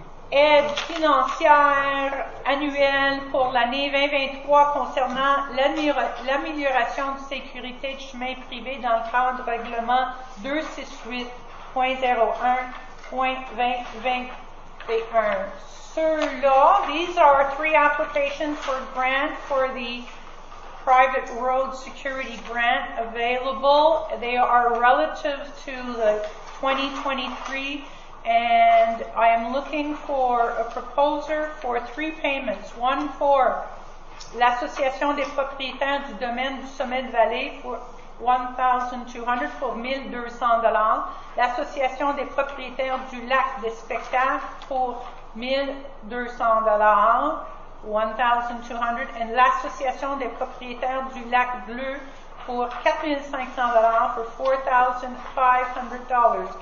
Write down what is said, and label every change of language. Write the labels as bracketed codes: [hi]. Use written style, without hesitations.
[fr] Aide financière annuelle pour l'année 2023 concernant l'amélioration de sécurité de chemin privé dans le cadre du règlement 268.01.2021. Ceux-là, [en] these are three applications for grant for the private road security grant available. They are relative to the 2023. And I am looking for a proposer for three payments. One for l'Association des propriétaires du domaine du Sommet de Vallée for $1,200 for $1,200. L'Association des propriétaires du lac des spectacles for $1,200. And l'Association des propriétaires du lac bleu for $4,500 for $4,500.